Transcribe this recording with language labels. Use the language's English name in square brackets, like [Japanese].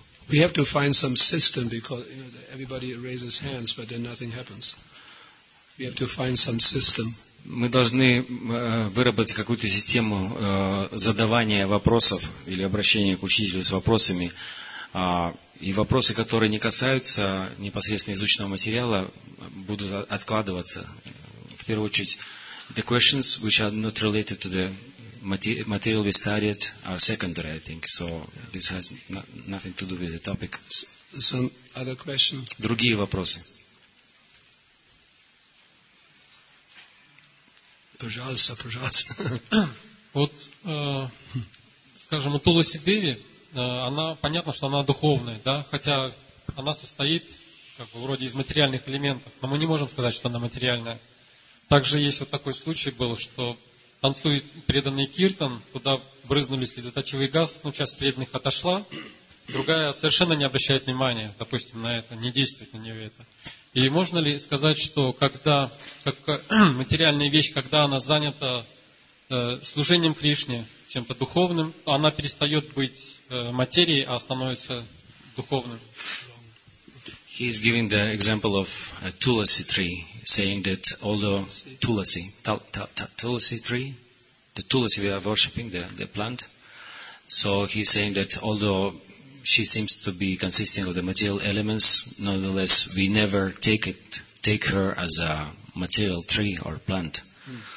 [English] We have to find some system because everybody raises hands, but then nothing happens. We have to find some system. [Russian] Мы должны выработать какую-то систему задавания вопросов или обращения к учителю с вопросами. И вопросы, которые не касаются непосредственно изученного материала, будут откладываться. В первую очередь, [English] the questions which are not related to the material we studied are secondary, I think. So this has nothing to do with the topic. Some other question? [Russian] Другие вопросы. Пожалуйста, пожалуйста. Вот, скажем, у Туласи Деви, она, понятно, что она духовная, да, хотя она состоит как бы вроде из материальных элементов, но мы не можем сказать, что она материальная. Также есть вот такой случай был, что танцует преданный киртан, туда брызнули слезоточивый газ, ну, часть преданных отошла, другая совершенно не обращает внимания, допустим, на это, не действует на нее это. И можно ли сказать, что когда как материальная вещь, когда она занята служением Кришне, чем-то духовным, то она перестает быть материей, а становится духовным? [English] He is giving the example of a tulasi tree, saying that although tulasi tree, the tulasi we are worshipping, the plant, so he is saying that although she seems to be consisting of the material elements, nonetheless, we never take her as a material tree or plant. Mm.